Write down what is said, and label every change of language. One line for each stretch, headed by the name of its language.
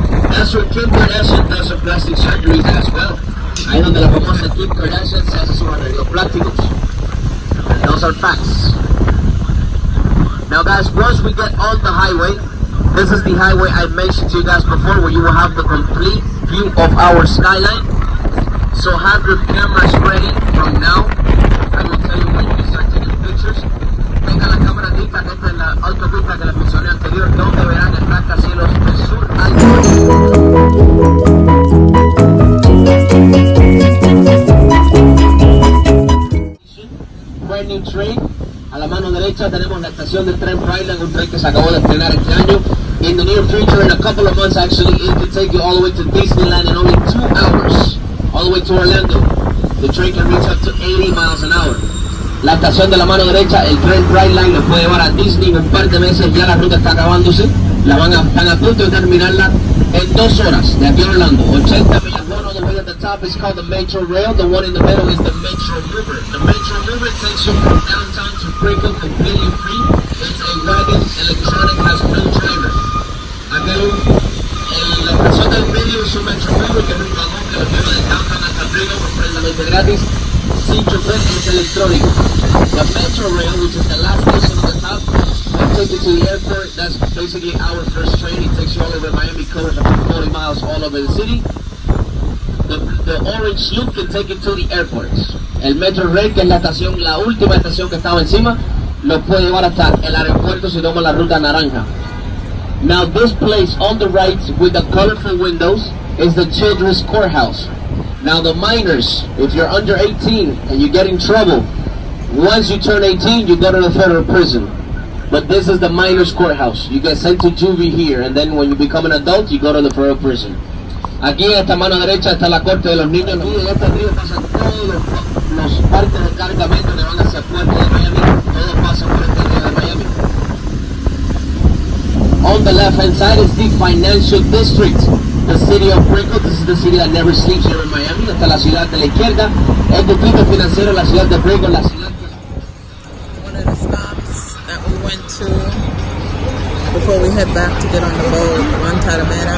English: That's where Kim Kardashian does her plastic surgeries as well.
Spanish: Ahí es donde la famosa Kim Kardashian se hace sus arreglos plásticos.
English: And those are facts. Now guys, once we get on the highway, this is the highway I mentioned to you guys before, where you will have the complete view of our skyline. So have your cameras ready from now. I will tell you when you can start taking pictures.
Spanish: Tenga la cámara lista, que esta es la autopista que les mencioné anterior, donde verán el rascacielos del sur al norte.
English: Burning Tree.
Spanish: A la mano derecha tenemos la estación del tren Brightland, un tren que se acabó de estrenar este año.
English: In the near future, in a couple of months actually, it can take you all the way to Disneyland in only 2 hours. All the way to Orlando. The train can reach up to 80 miles an hour.
Spanish: La estación de la mano derecha, el tren Brightline, lo puede llevar a Disney en un par de meses. Ya la ruta está acabándose. La van a, están a punto de terminarla en 2 horas de aquí a Orlando. 80 millas.
English: One all the way at the top is called the Metro Rail. The one in the middle is the Metro River. The Metro River takes you from downtown to Brickell completely free. It's a wagon electronic has no driver.
Spanish: La estación del medio es un Metro River que es un vagón que lo lleva de downtown hasta Brickell completamente gratis.
English: The Metro Rail, which is the last station on the top, will take you to the airport. That's basically our first train. It takes you all over Miami, covers about 40 miles all over the city. The orange loop can take you to the airport.
Spanish: El Metro Rail, que es la estación, la última estación que estaba encima, lo puede llevar hasta el aeropuerto si toma la ruta naranja.
English: Now this place on the right with the colorful windows is the Children's Courthouse. Now the minors, if you're under 18 and you get in trouble, once you turn 18, you go to the federal prison. But this is the minors' courthouse. You get sent to juvie here, and then when you become an adult, you go to the federal prison.
Spanish: Aquí a esta mano derecha está la corte de los niños. Y en este río pasan todos los partes de cargamento que van hacia el puerto de Miami. Todos pasan por este río de Miami.
English: On the left-hand side is the financial district. The city of Brickell, this is the city that never sleeps here in Miami.
Spanish: Esta es la ciudad de la izquierda. El distrito financiero, la ciudad de Brickell, la ciudad que...
English: One of the stops that we went to before we head back to get on the boat, Rantaramera.